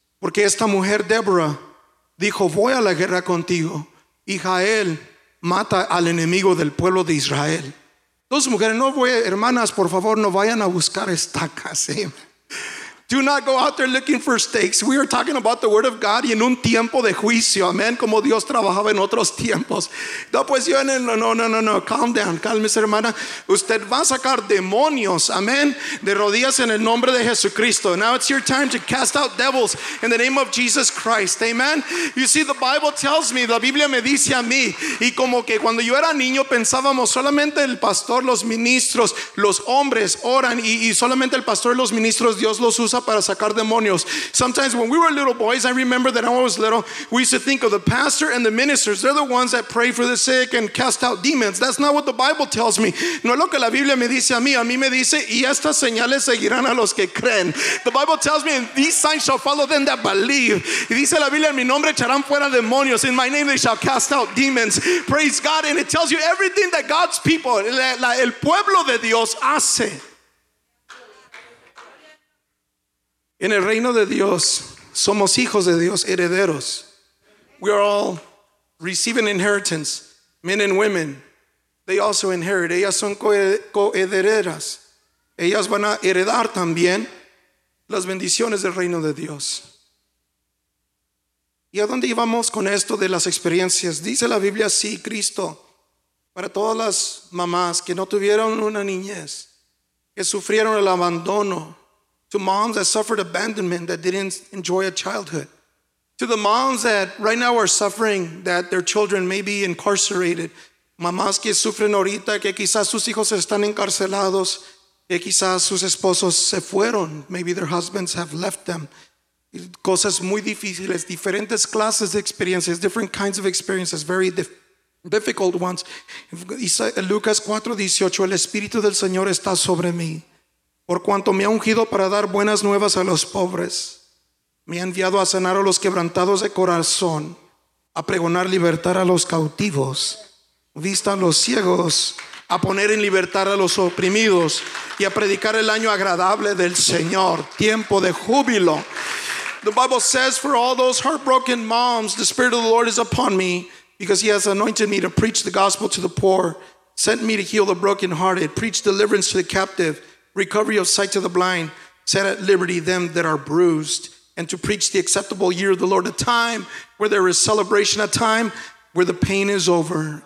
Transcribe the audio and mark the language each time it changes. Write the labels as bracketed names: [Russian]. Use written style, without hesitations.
[Spanish] Porque esta mujer, Débora, dijo, voy a la guerra contigo. Y Jael mata al enemigo del pueblo de Israel. Dos mujeres, no voy, hermanas, por favor, no vayan a buscar estacas. [English] Do not go out there looking for stakes. We are talking about the word of God [Spanish] y en un tiempo de juicio, amén, como Dios trabajaba en otros tiempos. No, pues yo, no, [English] calm down, [Spanish] cálmese, hermana. Usted va a sacar demonios, amén, de rodillas en el nombre de Jesucristo. [English] Now it's your time to cast out devils in the name of Jesus Christ, amen. You see, the Bible tells me, [Spanish] la Biblia me dice a mí, y como que cuando yo era niño pensábamos solamente el pastor, los ministros, los hombres oran, y solamente el pastor y los ministros, Dios los usa para sacar demonios. [English] Sometimes when we were little boys, I remember that when I was little, we used to think of the pastor and the ministers. They're the ones that pray for the sick and cast out demons. That's not what the Bible tells me. [Spanish] No es lo que la Biblia me dice a mí. A mí me dice, y estas señales seguirán a los que creen. [English] The Bible tells me, and these signs shall follow them that believe. [Spanish] Y dice la Biblia, en mi nombre echarán fuera demonios. [English] In my name they shall cast out demons. Praise God. And it tells you everything that God's people, [Spanish] el pueblo de Dios, hace. En el reino de Dios, somos hijos de Dios, herederos. [English] We are all receiving inheritance. Men and women, they also inherit. [Spanish] Ellas son coherederas. Ellas van a heredar también las bendiciones del reino de Dios. ¿Y a dónde íbamos con esto de las experiencias? Dice la Biblia, sí, Cristo, para todas las mamás que no tuvieron una niñez, que sufrieron el abandono, [English] To moms that suffered abandonment that didn't enjoy a childhood. To the moms that right now are suffering that their children may be incarcerated. [Spanish] Mamás que sufren ahorita que quizás sus hijos están encarcelados, que quizás sus esposos se fueron. [English] Maybe their husbands have left them. [Spanish] Cosas muy difíciles, diferentes clases de experiencias, [English] different kinds of experiences, very difficult ones. [Spanish] Lucas 4:18, el Espíritu del Señor está sobre mí. Por cuanto me ha ungido para dar buenas nuevas a los pobres, me ha enviado a sanar a los quebrantados de corazón, a pregonar libertad a los cautivos, vista a los ciegos, a poner en libertad a los oprimidos y a predicar el año agradable del Señor, tiempo de júbilo. [English] The Bible says, for all those heartbroken moms, the Spirit of the Lord is upon me because he has anointed me to preach the gospel to the poor, sent me to heal the brokenhearted, preach deliverance to the captive, recovery of sight to the blind, set at liberty them that are bruised, and to preach the acceptable year of the Lord, a time where there is celebration, a time where the pain is over.